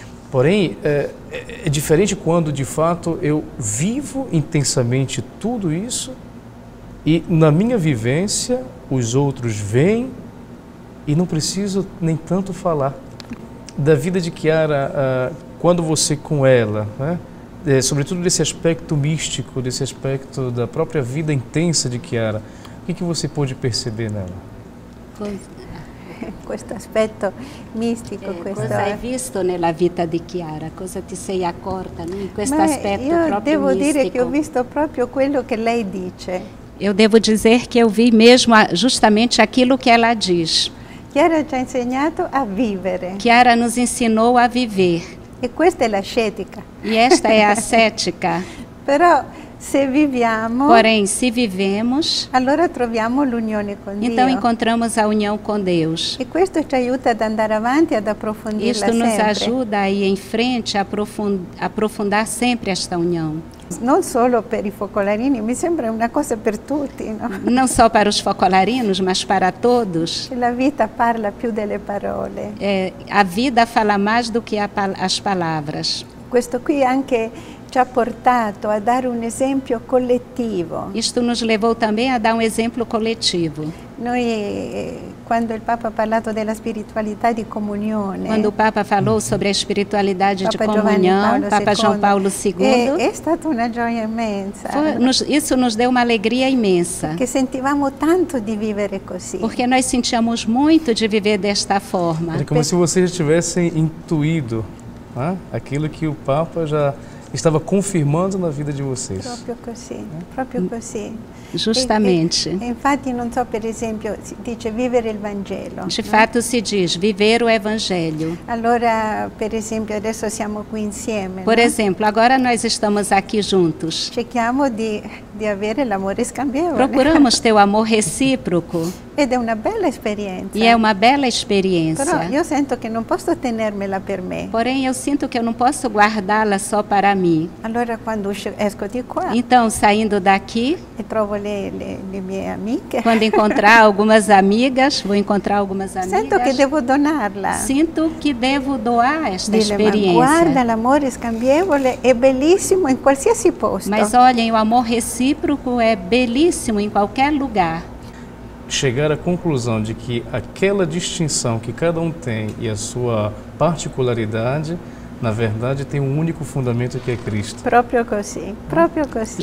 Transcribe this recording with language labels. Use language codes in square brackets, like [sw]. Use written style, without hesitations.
[pt] Porém, é diferente quando, de fato, eu vivo intensamente tudo isso e, na minha vivência, os outros vêm e não preciso nem tanto falar. Da vida de Chiara, quando você com ela, né? Sobretudo desse aspecto místico, desse aspecto da própria vida intensa de Chiara, o que você pôde perceber nela? [it] Questo aspetto místico, cosa hai visto nella vita di Chiara? Cosa ti sei accorta in questo aspetto proprio mistico? Io devo dire che ho visto proprio quello che lei dice. [pt] Eu devo dizer que eu vi mesmo justamente aquilo que ela diz. [it] Chiara ci ha insegnato a vivere. [pt] Chiara nos ensinou a viver. [it] E questa è la scetica. E esta è la scetica. Però se viviamo. [pt] Porém, se vivemos. [it] Allora troviamo l'unione con Dio. [pt] Então encontramos a união com Deus. [it] E questo ci aiuta ad andare avanti, ad approfondirla sempre. [pt] Isto nos ajuda a ir em frente, a aprofundar sempre esta união. [it] Non solo per i focolarini, mi sembra una cosa per tutti, no? Non solo per i focolarini, ma per tutti. La vita parla più delle parole. La vita parla più delle parole. Questo qui anche ci ha portato a dare un esempio collettivo. [pt] Isto nos levou também a dar um exemplo coletivo. [it] Noi, quando il Papa ha parlato della spiritualità di comunione, [pt] quando il Papa falou sobre a espiritualidade de comunhão, Papa João Paulo II, [it] è stata una gioia immensa. [pt] Isso nos deu uma alegria imensa. [it] Che sentivamo tanto di vivere così. [pt] Porque nós sentíamos muito de viver desta forma. É como se vocês tivessem intuído, né, aquilo que o Papa já estava confirmando na vida de vocês. [it] Proprio così. [pt] Justamente. [it] Infatti, non so, per esempio, si dice vivere il Vangelo. [pt] De fato, né? Si diz viver o Evangelho. [it] Allora, per esempio, adesso siamo qui insieme. [pt] Por exemplo, agora nós estamos aqui juntos. [it] Cerchiamo di avere l'amore scambievole. [pt] Procuramos ter o amor recíproco. [it] Ed è una bella esperienza. [pt] E é uma bela experiência. [it] Però io sento che non posso tenermela per me. [pt] Porém, eu sinto que eu não posso guardá-la só para mim. [it] Allora, quando esco di qua. [pt] Então, saindo daqui. [it] E trovo le mie amiche. [pt] Quando encontrar algumas amigas, vou encontrar algumas amigas. [it] Sento che devo donarla. [pt] Sinto que devo doar esta experiência. [it] Guarda, l'amore scambievole è bellissimo in qualsiasi posto. [pt] Mas olhem, o amor recíproco é belíssimo em qualquer lugar. Chegar à conclusão de que aquela distinção que cada um tem e a sua particularidade, na verdade, tem um único fundamento que é Cristo. [it] Proprio così.